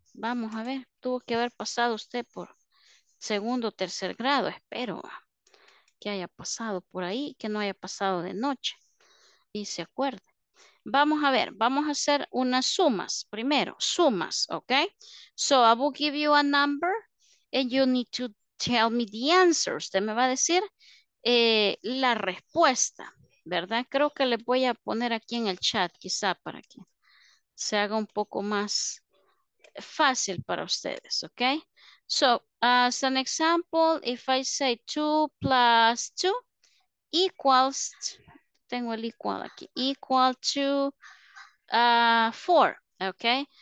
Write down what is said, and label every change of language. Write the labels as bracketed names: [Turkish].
[Spanish] Vamos a ver, tuvo que haber pasado usted por segundo o tercer grado, espero que haya pasado por ahí, que no haya pasado de noche y se acuerde. Vamos a ver, vamos a hacer unas sumas primero, sumas, ok. [English] So I will give you a number and you need to tell me the answer. [Spanish] Usted me va a decir la respuesta, ¿verdad? Creo que le voy a poner aquí en el chat quizá para que se haga un poco más fácil para ustedes, ok. [English] So, as an example, if I say 2 plus 2 equals, [Spanish] tengo el equal aquí, [English] equal to 4, okay?